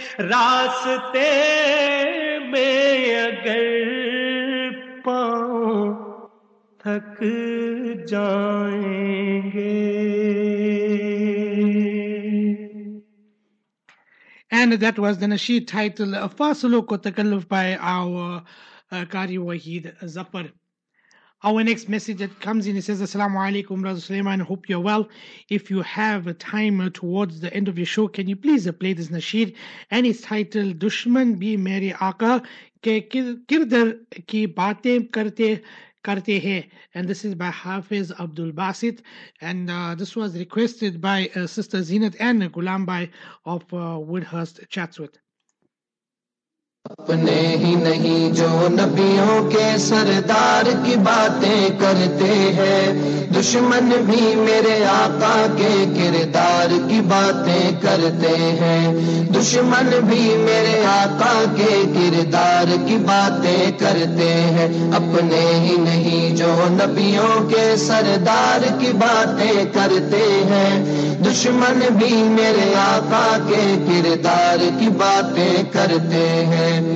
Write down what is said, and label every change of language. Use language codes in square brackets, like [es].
[ur] راستے میں اگر پاؤں تھک جائیں گے [en] And that was the nasheed title, Fasalo Ko Takalluf, by our Qari Waheed Zafar. Our next message that comes in, it says, Assalamu alaikum, Brother Sulaimaan, hope you're well. If you have time towards the end of your show, can you please play this nasheed? And it's titled, Dushman Bhi Meri Aqa Ke Kirdar Ki Baatein Karte Hai. And this is by Hafiz Abdul Basit. And this was requested by Sister Zinat and Gulambai of Woodhurst Chatsworth. [ur] اپنے ہی نہیں جو نبیوں کے سردار کی باتیں کرتے ہیں دشمن بھی میرے آقا کے کردار کی باتیں کرتے ہیں دشمن بھی میرے آقا کے کردار کی باتیں کرتے ہیں اپنے ہی نہیں جو نبیوں کے سردار کی باتیں کرتے ہیں دشمن بھی میرے آقا کے کردار کی باتیں کرتے ہیں